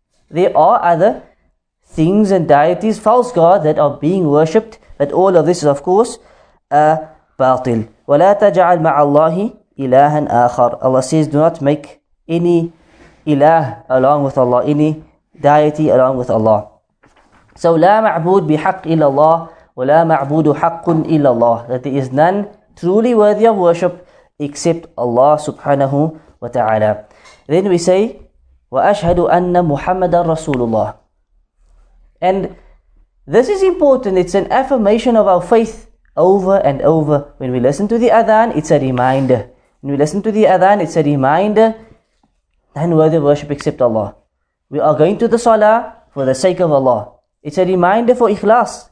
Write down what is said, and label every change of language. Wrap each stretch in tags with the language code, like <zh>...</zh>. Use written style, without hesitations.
<en>There are other things and deities, false gods that are being worshipped. But all of this is, of course, a batil.</en> <ar>وَلَا تَجَعَلْ مَعَ اللَّهِ إِلَٰهًا آخَرٍ.</ar> <en>Allah says, do not make any ilah along with Allah, any deity along with Allah. So,</en> <ar>لا معبود بحق إلا الله ولا معبود حق إلا الله.</ar> <en>That there is none truly worthy of worship except Allah subhanahu wa ta'ala. Then we say,</en> <ar>وَأَشْهَدُ أَنَّ مُحَمَّدًا رَسُولُ اللَّهِ.</ar> <en>And this is important. It's an affirmation of our faith over and over. When we listen to the Adhan, it's a reminder. When we listen to the Adhan, it's a reminder, none worthy of worship except Allah. We are going to the Salah for the sake of Allah. It's a reminder for Ikhlas.</en>